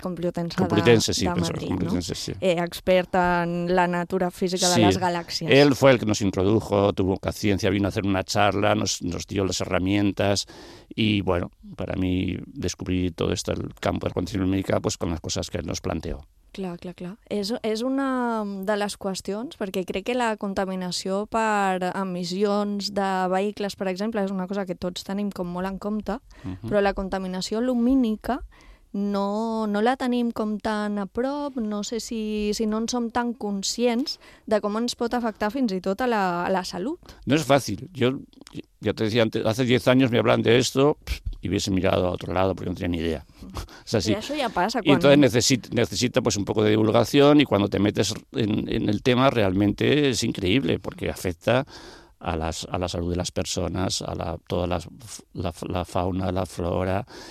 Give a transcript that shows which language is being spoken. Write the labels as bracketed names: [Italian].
[Spanish] Complutense de Madrid, experta en la natura física sí. de las galaxias. Él fue el que nos introdujo, tuvo paciencia, vino a hacer una charla, nos dio las herramientas y, bueno, para mí descubrí todo esto, el campo de la condición médica, pues con las cosas que él nos planteó. [Catalan] Clar, clar, clar. És una de les qüestions, perquè crec que la contaminació per emissions de vehicles, per exemple, és una cosa que tots tenim com molt en compte, però la contaminació lumínica no la tenim com tan a prop, no sé si no en som tan conscients de com ens pot afectar fins i tot a la salut. No és fàcil. Jo, ja [Spanish] te decía antes, hace 10 años me hablan de esto... y hubiese mirado a otro lado porque no tenía ni idea. Es así. Eso ya pasa. Y entonces necesita pues un poco de divulgación, y cuando te metes en el tema realmente es increíble, porque afecta a la salud de las personas, a toda la fauna, la flora.